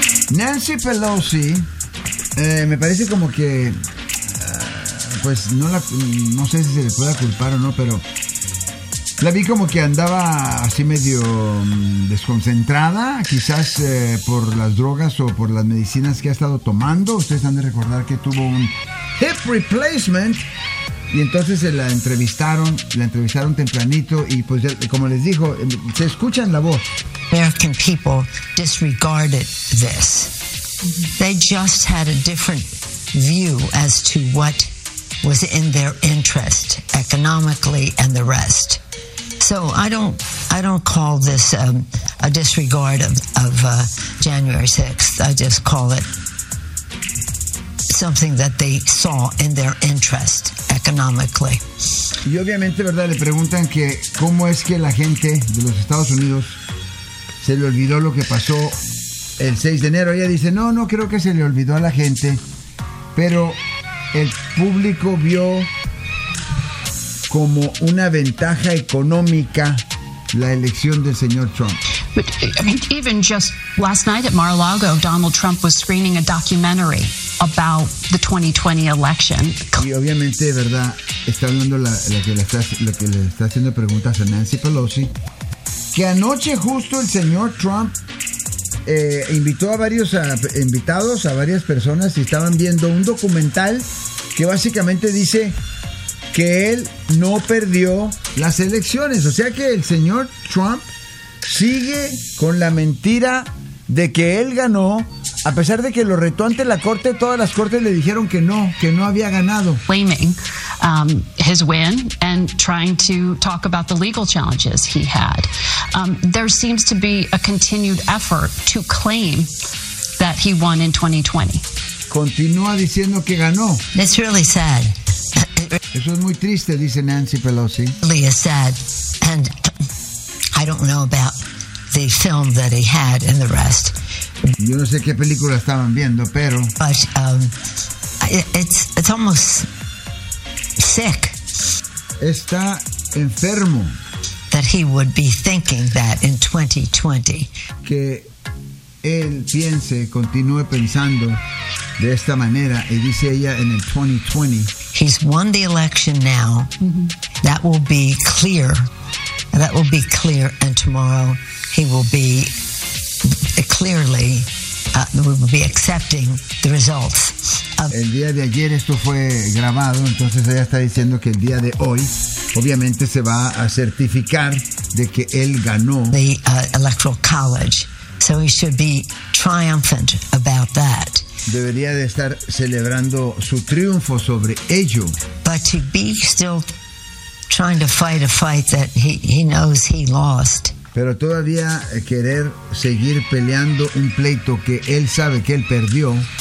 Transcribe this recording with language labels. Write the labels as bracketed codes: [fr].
[es] Nancy Pelosi, me parece como que, pues no la, no sé si se le pueda culpar o no, pero la vi como que andaba así medio desconcentrada, quizás por las drogas o por las medicinas que ha estado tomando. Ustedes han de recordar que tuvo un hip replacement y entonces se la entrevistaron tempranito y pues ya, como les dijo, se escuchan la voz. [en] American people disregarded this. They just had a different view as to what was in their interest economically and the rest. So I don't call this a disregard of January 6th. I just call it something that they saw in their interest economically. [es] Y obviamente, ¿verdad?, le preguntan que cómo es que la gente de los Estados Unidos se le olvidó lo que pasó el 6 de enero. Ella dice, no, no creo que se le olvidó a la gente, pero el público vio como una ventaja económica la elección del señor Trump. [en] But, I mean, even just last night at Mar-a-Lago, Donald Trump was screening a documentary about the 2020 election. [es] Y obviamente, ¿verdad?, está hablando lo que le está haciendo preguntas a Nancy Pelosi, que anoche justo el señor Trump invitó a varios invitados, a varias personas, y estaban viendo un documental que básicamente dice que él no perdió las elecciones. O sea que el señor Trump sigue con la mentira de que él ganó, a pesar de que lo retó ante la corte. Todas las cortes le dijeron que no había ganado. [en] Claiming his win and trying to talk about the legal challenges he had. There seems to be a continued effort to claim that he won in 2020. [es] Continúa diciendo que ganó. [en] It's really sad. [es] Eso es muy triste, dice Nancy Pelosi. [en] Lee is sad, and I don't know about the film that he had and the rest. [es] Yo no sé qué película estaban viendo, pero... [en] But it's almost sick. [es] Está enfermo. [en] That he would be thinking that in 2020. [es] Que él piense, continúe pensando de esta manera, y dice ella en el 2020. [en] He's won the election now. Mm-hmm. That will be clear. That will be clear, and tomorrow he will be clearly will be accepting the results. [es] El día de ayer esto fue grabado, entonces ella está diciendo que el día de hoy obviamente se va a certificar de que él ganó [en] the electoral college. So he should be triumphant about that. [es] Debería de estar celebrando su triunfo sobre ello. [en] But to be still trying to fight a fight that he knows he lost. [es] Pero todavía querer seguir peleando un pleito que él sabe que él perdió.